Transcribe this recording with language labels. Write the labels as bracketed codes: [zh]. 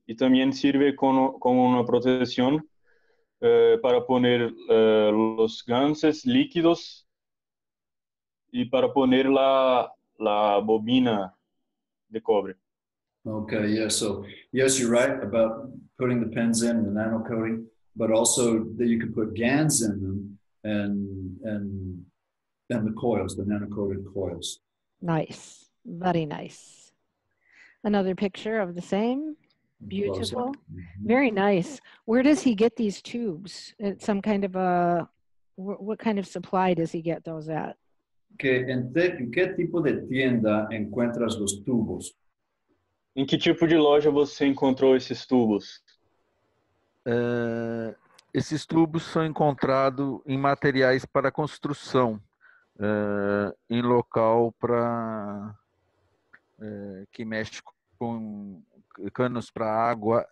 [es] y también sirve como una protección para poner los ganses líquidos y para poner la bobina de cobre. [en] Okay, yeah, so yes, you're right about putting the pens in the nano coating, but also that you can put GANs in them and the coils, the nano coated coils. Nice, very nice. Another picture of the same. Beautiful. Very nice. Where does he get these tubes? It's some kind of a, what kind of supply does he get those at? [es] ¿Qué tipo de tienda encuentras los tubos? [pt] ¿En qué tipo de loja você encontrou esses tubos? Esses tubos são encontrados em materiais para construção, em local para que mexe com canos para água.